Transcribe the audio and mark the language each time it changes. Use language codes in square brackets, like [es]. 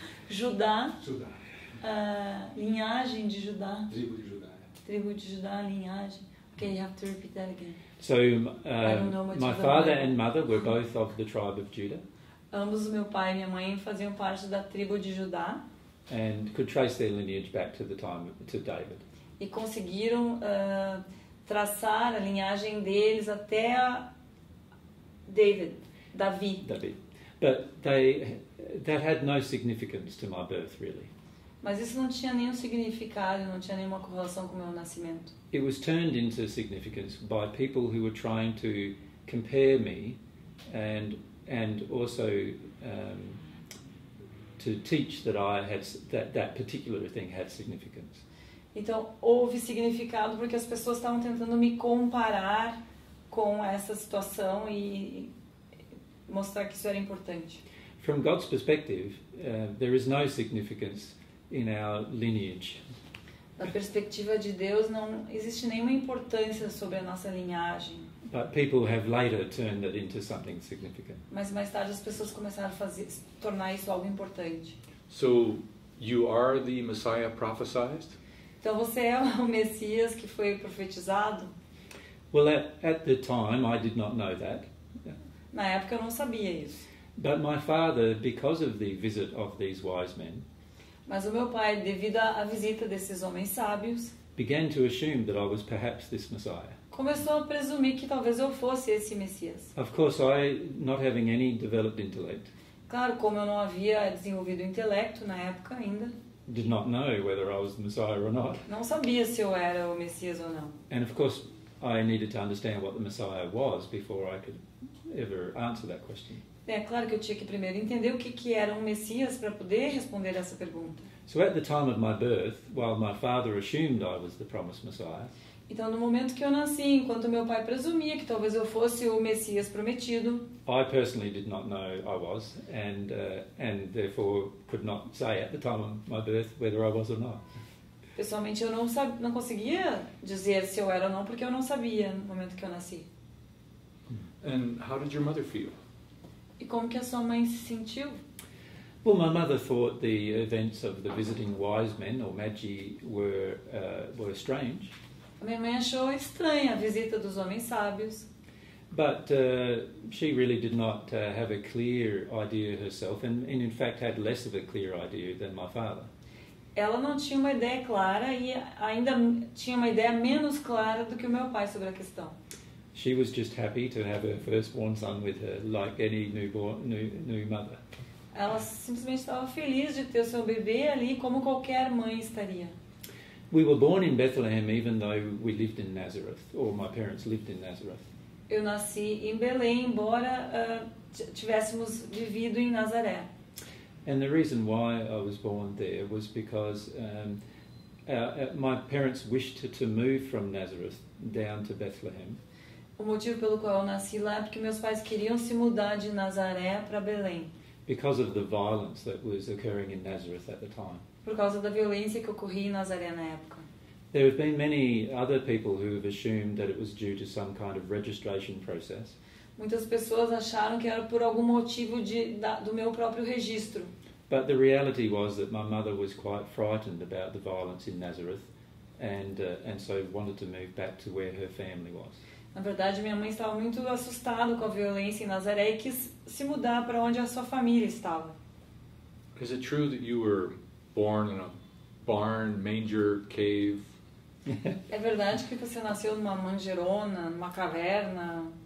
[pt] Judá. Judá. Linhagem de Judá. Tribo de Judá. Tribo de Judá, linhagem. [en] Okay, you have to repeat that again. So my father and mother were both of the tribe of Judah. [pt] Ambos o meu pai e minha mãe faziam parte da tribo de Judá. [en] And could trace their lineage back to the time to David. [pt] E conseguiram traçar a linhagem deles até a Davi. Davi. [en] But that had no significance to my birth, really. [pt] Mas isso não tinha nenhum significado, não tinha nenhuma correlação com o meu nascimento. [en] It was turned into significance by people who were trying to compare me and also to teach that I had that particular thing had significance. [pt] Então houve significado porque as pessoas estavam tentando me comparar com essa situação e mostrar que isso era importante. [en] From God's perspective, there is no significance in our lineage. [pt] Da perspectiva de Deus, não existe nenhuma importância sobre a nossa linhagem. [en] But people have later turned it into something significant. [pt] Mas mais tarde as pessoas começaram a tornar isso algo importante. [en] So you are the Messiah prophesied? [pt] Então você é o Messias que foi profetizado? [en] Well, at the time I did not know that. [pt] Na época eu não sabia isso. [en] But my father, because of the visit of these wise men, [pt] mas o meu pai, devido à visita desses homens sábios, [en] began to assume that I was perhaps this Messiah. [pt] Começou a presumir que talvez eu fosse esse Messias. [en] Of course, I, not having any developed intellect, [pt] claro, como eu não havia desenvolvido intelecto na época ainda, [en] did not know whether I was the Messiah or not. [pt] Não sabia se eu era o Messias ou não. [en] And of course, I needed to understand what the Messiah was before I could ever answer that question. [pt] É claro que eu tinha que primeiro entender o que era um Messias para poder responder essa pergunta. [en] So at the time of my birth, while my father assumed I was the promised Messiah, [pt] então no momento que eu nasci, enquanto meu pai presumia que talvez eu fosse o Messias prometido, [en] I personally did not know I was, and therefore could not say at the time of my birth whether I was or not. [pt] Pessoalmente eu não conseguia dizer se eu era ou não porque eu não sabia no momento que eu nasci. [en] And how did your mother feel? [pt] E como que a sua mãe se sentiu? [en] Well, my mother thought the events of the visiting wise men or magi were strange. [pt] A minha mãe achou estranha a visita dos homens sábios. [en] But she really did not have a clear idea herself, and in fact had less of a clear idea than my father. [pt] Ela não tinha uma ideia clara e ainda tinha uma ideia menos clara do que o meu pai sobre a questão. [en] She was just happy to have her firstborn son with her, like any new mother. [pt] Ela simplesmente estava feliz de ter o seu bebê ali, como qualquer mãe estaria. [en] We were born in Bethlehem, even though we lived in Nazareth, or my parents lived in Nazareth. [pt] Eu nasci em Belém, embora tivéssemos vivido em Nazaré. [en] And the reason why I was born there was because my parents wished to move from Nazareth down to Bethlehem. [pt] O motivo pelo qual eu nasci lá é porque meus pais queriam se mudar de Nazaré para Belém. [en] Because of the violence that was occurring in Nazareth at the time. [pt] Por causa da violência que ocorria em Nazaré na época. [en] There have been many other people who have assumed that it was due to some kind of registration process. [pt] Muitas pessoas acharam que era por algum motivo do meu próprio registro. [en] But the reality was that my mother was quite frightened about the violence in Nazareth and so wanted to move back to where her family was. [pt] Na verdade, minha mãe estava muito assustada com a violência em Nazaré e quis se mudar para onde a sua família estava. [en] Is it true that you were born in a barn, manger, cave? [pt] É verdade que você nasceu numa manjerona, numa caverna?